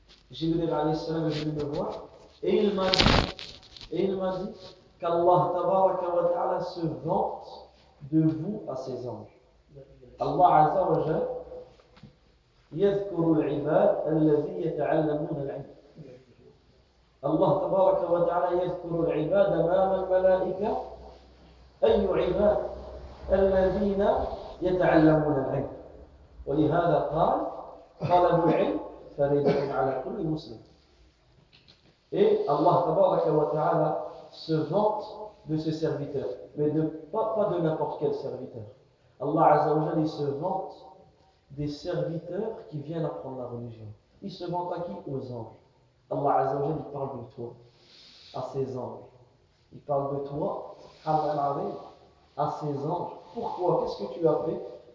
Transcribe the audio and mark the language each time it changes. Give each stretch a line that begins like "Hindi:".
French: Jibril alayhi salam est venu me voir et il m'a dit qu'Allah tabaraka wa ta'ala se vante de vous à ses anges.
Arabic: Allah azza wa jalla يذكر العباد الذي يتعلمون العلم. الله تبارك وتعالى يذكر العباد أمام الملائكة. أي عباد؟ الذين يتعلمون العلم. ولهذا قال: طلب العلم فريضة على كل مسلم. إيه الله تبارك وتعالى
French: se vante de ses serviteurs, mais de pas de n'importe quel serviteur.
Arabic: الله عز وجل
French: se vante des serviteurs qui viennent apprendre la religion. Ils se vantent à qui? Aux anges. Allah Azza wa Jalla parle de toi à ses anges. Il parle de toi à ses anges. Pourquoi? Qu'est-ce que tu as fait?